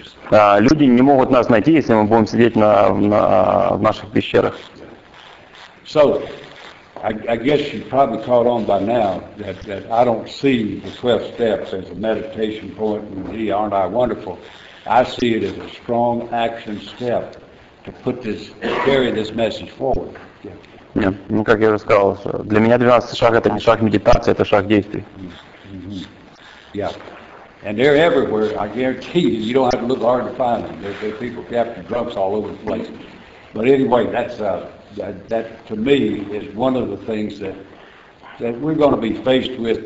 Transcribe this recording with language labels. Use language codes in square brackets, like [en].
[ru] Люди не могут нас найти, если мы будем сидеть в наших пещерах. [en] So, I guess you probably caught on by now that I don't see the 12 steps as a meditation point, and gee, aren't I wonderful? I see it as a strong action step to carry this message forward. Yeah. [ru] Yeah. Ну, как я уже сказал, для меня 12 шаг — это не шаг медитации, это шаг действий. Mm-hmm. [en] Yeah, and they're everywhere. I guarantee you, you don't have to look hard to find them. There's people capturing drunks all over the place. But anyway, that to me is one of the things that we're going to be faced with.